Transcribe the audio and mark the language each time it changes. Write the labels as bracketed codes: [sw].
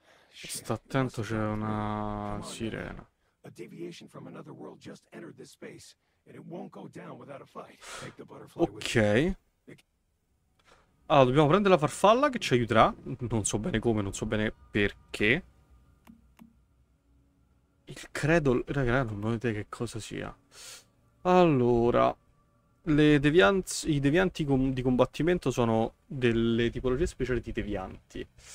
[it] Sta attento, c'è una sirena. [en] A deviation from another world just entered this space and it won't go down without a fight. Take the butterfly. Ok. [it] Allora, dobbiamo prendere la farfalla che ci aiuterà. Non so bene come, non so bene perché. Il credo. Raga, non ho idea che cosa sia. Allora, i devianti di combattimento sono delle tipologie speciali di devianti.